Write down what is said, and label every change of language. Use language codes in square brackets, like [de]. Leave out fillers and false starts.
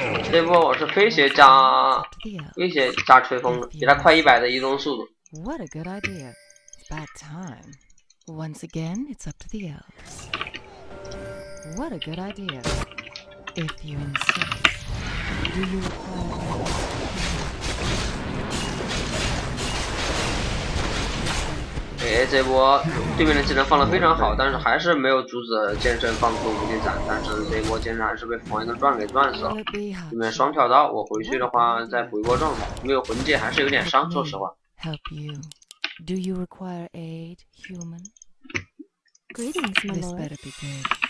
[zh] 这波我是飞鞋加飞鞋加吹风的，比他快100的移动速度。 [en] What a good idea! It's about time. Once again, it's up to the elves. What a good idea! If you insist, do you require? [zh] 哎，这波对面的技能放得非常好，但是还是没有阻止剑圣放出无敌斩，但是这波剑圣还是被防一个钻给钻死了，对面双跳刀，我回去的话再补一波状态，没有魂技还是有点伤，说实话。 [en] Help you. Do you require aid, human? Greetings, my lord. This better be good.